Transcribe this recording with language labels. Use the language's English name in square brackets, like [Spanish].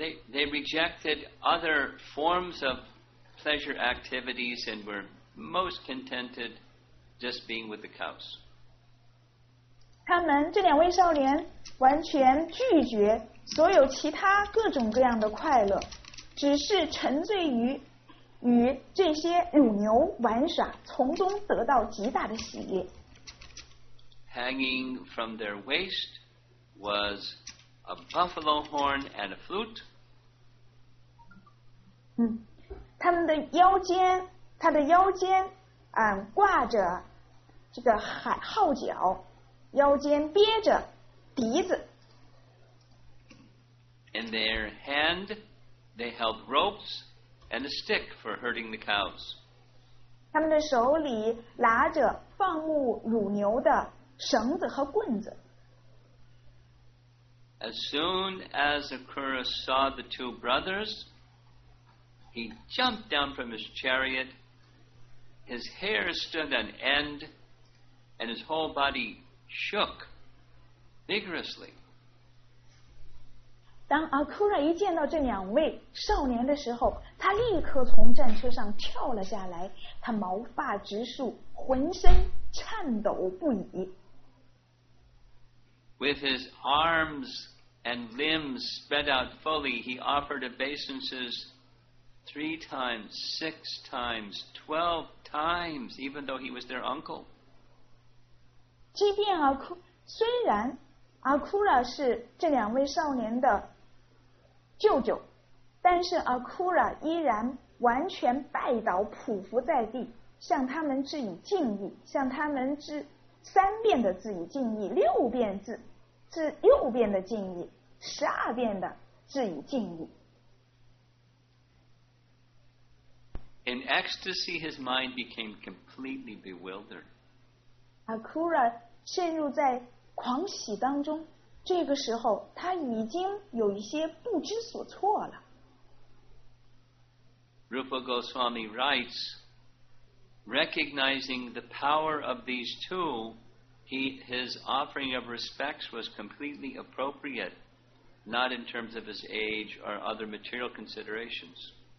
[English] They rejected other forms of pleasure activities and were most contented just being with the cows. [Chinese] 他们这两位少年完全拒绝所有其他各种各样的快乐，只是沉醉于与这些乳牛玩耍，从中得到极大的喜悦。 [English] Hanging from their waist was a buffalo horn and a flute. [Chinese] 他们的腰间，他的腰间，挂着这个海号角，腰间憋着笛子。 [English] In their hand, they held ropes and a stick for herding the cows. [Chinese] 他们的手里拿着放牧乳牛的绳子和棍子。 [English] As soon as Akura saw the two brothers, he jumped down from his chariot. His hair stood on end, and his whole body shook vigorously. [Chinese] 当 Akura 一见到这两位少年的时候，他立刻从战车上跳了下来，他毛发直竖，浑身颤抖不已。 [English] With his arms and limbs spread out fully, he offered obeisances 3 times, 6 times, 12 times, even though he was their uncle. [Chinese] 即便虽然阿库拉是这两位少年的舅舅，但是阿库拉依然完全拜倒匍匐在地，向他们致以敬意，向他们致三遍的致以敬意，六遍的敬意，12遍的致以敬意。 [English] In ecstasy, his mind became completely bewildered. [Chinese] Akura 陷入在狂喜当中，这个时候他已经有一些不知所措了。 [English] Rupa Goswami writes, recognizing the power of these two,His offering of respects was completely appropriate, not in terms of his age or other material considerations.